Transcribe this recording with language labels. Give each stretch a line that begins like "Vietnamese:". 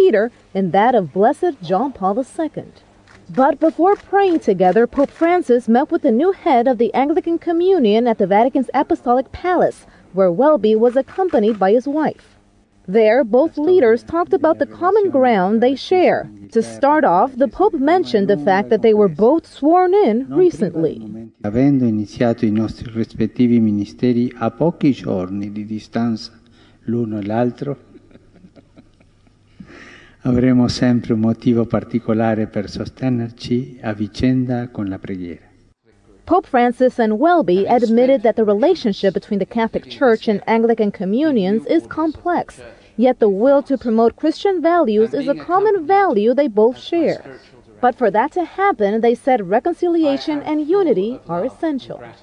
English: Peter and that of Blessed John Paul II. But before praying together, Pope Francis met with the new head of the Anglican Communion at the Vatican's Apostolic Palace, where Welby was accompanied by his wife. There, both leaders talked about the common ground they share. To start off, the Pope mentioned the fact that they were both sworn in recently.
Italian: Avendo iniziato i nostri rispettivi ministeri a pochi giorni di distanza l'uno e l'altro, avremo sempre un motivo particolare per sostenerci a vicenda con la preghiera.
English: Pope Francis and Welby admitted that the relationship between the Catholic Church and Anglican communions is complex, yet the will to promote Christian values is a common value they both share. But for that to happen, they said reconciliation and unity are essential.